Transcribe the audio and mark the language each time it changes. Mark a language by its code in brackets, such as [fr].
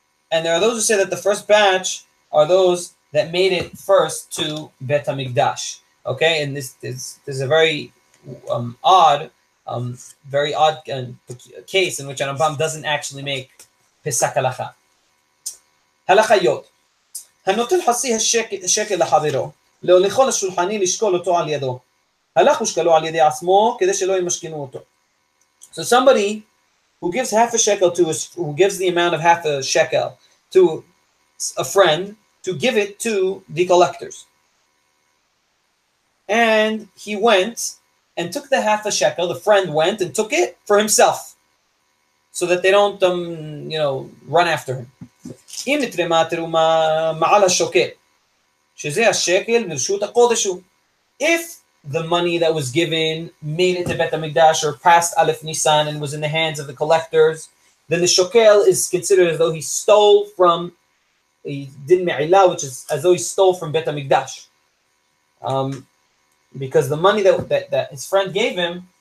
[en] And there are those who say that the first batch are those that made it first to Bet HaMikdash. Okay, and this is a very odd case in which Rambam doesn't actually make Pesach Halacha. Halacha Yod. [he] הנותן חצי השקל לחברו, להוליכו לשולחני לשקול אותו על ידו. הלך ושקלו על ידי עצמו כדי שלא ימשכנו אותו. [en] So somebody who gives half a shekel who gives the amount of half a shekel to a friend to give it to the collectors. And he went and took the half a shekel, the friend went and took it for himself, so that they don't run after him. [he] אם נתרמה תרומה מעל השוקל, שזה השקל מרשות הקודש הוא. [en] If the money that was given made it to Bet HaMikdash or passed Aleph Nisan and was in the hands of the collectors, then the shokel is considered as though he stole from, he did me'ila, which is as though he stole from Bet HaMikdash. Because the money that his friend gave him